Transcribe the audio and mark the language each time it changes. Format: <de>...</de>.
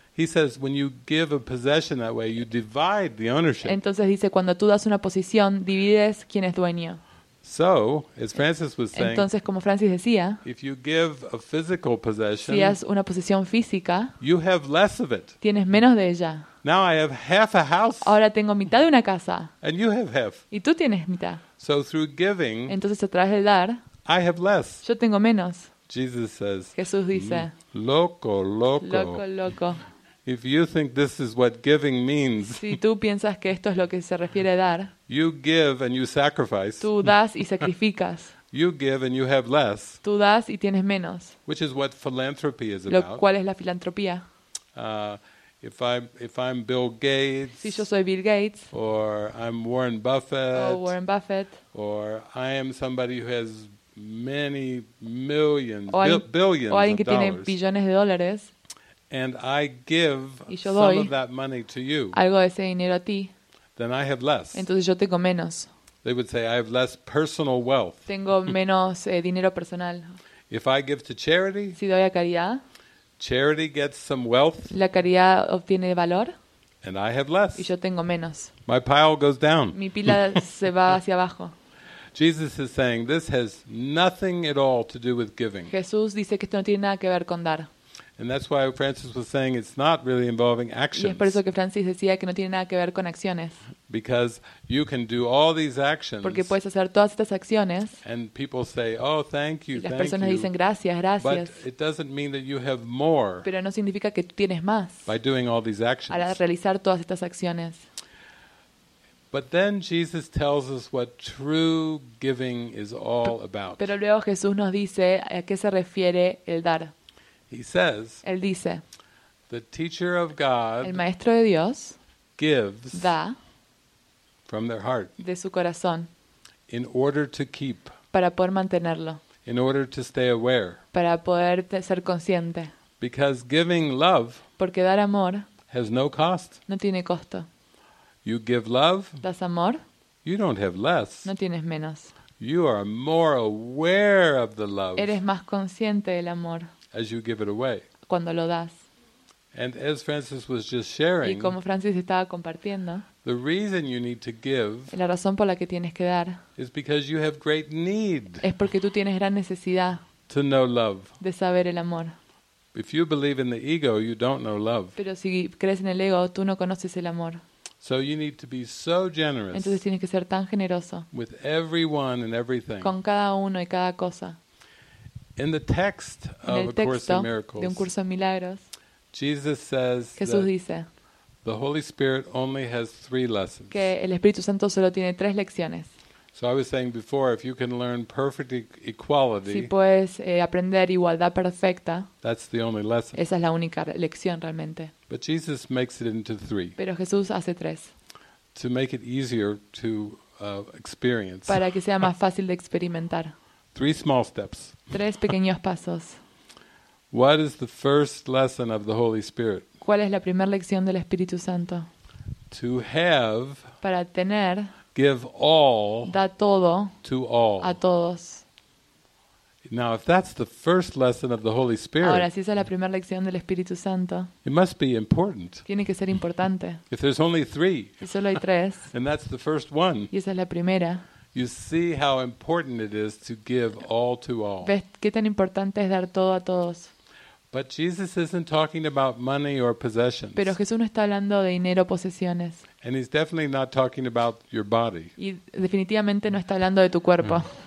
<en>He says, when you give a possession that way, you divide the ownership.</en> <es>Entonces dice, cuando tú das una posesión, divides quién es dueño.</es> <en>So, as Francis was saying,</en> <es>entonces, como Francis decía,</es> <en>if you give a physical possession,</en> <es>si das una posesión física,</es> <en>you have less of it.</en> <es>Tienes menos de ella.</es> <en>Now I have half a house.</en> <es>Ahora tengo mitad de una casa.</es> <en>And you have half.</en> <es>Y tú tienes mitad.</es> <en>So through giving,</en> <es>entonces a través del dar,</es> <en>I have less.</en> <es>Yo tengo menos.</es> <en>Jesus says,</en> <es>Jesús dice, loco, loco, loco, loco.</es> <en>If you think this is what giving means,</en> <es>si tú piensas que esto es lo que se refiere a dar,</es> <en>you give and you sacrifice.</en> <es>Tú das y sacrificas.</es> <en>You give and you have less.</en> <es>Tú das y tienes menos.</es> <en>Which is what philanthropy is</en> <es>lo</es> <en>about.</en> <es>¿Cuál es la filantropía?</es> <en>If I'm Bill Gates.</en> <es>Si yo soy Bill Gates.</es> <en>Or I'm Warren Buffett.</en> <es>O Warren Buffett.</es> <en>Or I am somebody who has many millions, billions.</en> <es>O alguien que</es> <en>of dollars.</en> <es>Tiene billones de dólares.</es> <en>And I give some of that money to you.</en> <es>Algo de ese dinero a ti.</es> <en>Then I have less.</en> <es>Entonces yo tengo menos.</es> <en>They would say I have less personal wealth.</en> <es>Tengo menos dinero personal.</es> <en>If I give to charity,</en> <es>si doy a caridad,</es> <en>charity gets some wealth.</en> <es>La caridad obtiene valor.</es> <en>And I have less.</en> <es>Y yo tengo menos.</es> <en>My pile goes down.</en> <es>Mi pila se va hacia abajo.</es> <en>Jesus is saying this has nothing at all to do with giving.</en> <es>Jesús dice que esto no tiene nada que ver con dar.</es> <en>And that's why Francis was saying it's not really involving actions.</en> <es>Y es por eso que Francis decía que no tiene nada que ver con acciones.</es> <en>Because you can do all these actions.</en> <es>Porque puedes hacer todas estas acciones.</es> <en>And people say, "Oh, thank you, thank you."</en> <es>Las personas dicen gracias, gracias.</es> <en>But it doesn't mean that you have more.</en> <es>Pero no significa que tú tienes más.</es> <en>By doing all these actions.</en> <es>Al realizar todas estas acciones.</es> <en>But then Jesus tells us what true giving is all about.</en> <es>Pero luego Jesús nos dice a qué se refiere el dar.</es> <en>He says,</en> <es>él dice,</es> <en>the teacher of God,</en> <es>el maestro de Dios,</es> <en>gives</en> <es>da</es> <en>from their heart,</en> <es>de su corazón,</es> <en>in order to keep,</en> <es>para poder mantenerlo,</es> <en>in order to stay aware,</en> <es>para poder ser consciente,</es> <en>because giving love,</en> <es>porque dar amor,</es> <en>has no cost,</en> <es>no tiene costo.</es> <en>You give love,</en> <es>das amor,</es> <en>you don't have less,</en> <es>no tienes menos.</es> <en>You are more aware of the love,</en> <es>eres más consciente del amor,</es> <en>as you give it away,</en> <es>cuando lo das.</es> <en>And as Francis was just sharing,</en> <es>y como Francis estaba compartiendo,</es> <en>the reason you need to give,</en> <es>la razón por la que tienes que dar,</es> <en>is because you have great need,</en> <es>es porque tú tienes gran necesidad,</es> <en>to know love,</en> <es>de saber el amor.</es> <en>If you believe in the ego, you don't know love.</en> <es>Pero si crees en el ego, tú no conoces el amor.</es> <en>So you need to be so generous.</en> <es>Entonces tienes que ser tan generoso.</es> <en>With everyone and everything.</en> <es>Con cada uno y cada cosa.</es> <en>In the text of A Course in Miracles.</en> <es>De un curso en milagros.</es> <en>Jesus says.</en> <es>Jesús dice.</es> <en>The Holy Spirit only has three lessons.</en> <es>Que el Espíritu Santo solo tiene tres lecciones.</es> <en>So I was saying before, if you can learn perfect equality.</en> <es>Si puedes aprender igualdad perfecta.</es> <en>That's the only lesson.</en> <es>Esa es la única lección realmente.</es> <en>But Jesus makes it into three.</en> <es>Pero Jesús hace tres.</es> <en>To make it easier to experience.</en> <es>Para que sea más fácil de experimentar.</es> <en>Three small steps.</en> <es>Tres pequeños pasos.</es> <en>What is the first lesson of the Holy Spirit?</en> <es>¿Cuál es la primera lección del Espíritu Santo?</es> <en>To have.</en> <es>Para tener.</es> <en>Give all,</en> <es>da todo,</es> <en>to all,</en> <es>a todos.</es> <en>Now, if that's the first lesson of the Holy Spirit,</en> <es>ahora si esa es la primera lección del Espíritu Santo,</es> <en>it must be important.</en> <es>Tiene que ser importante.</es> <en>If there's only three,</en> <es>y solo hay tres,</es> <en>and that's the first one,</en> <es>y esa es la primera,</es> <en>you see how important it is to give all to all.</en> <es>Ves qué tan importante es dar todo a todos.</es> <en>But Jesus isn't talking about money or possessions.</en> <es>Pero Jesús no está hablando de dinero o posesiones.</es> <en>And he's definitely not talking about your body.</en> <es>Y definitivamente no está hablando de tu cuerpo.</es>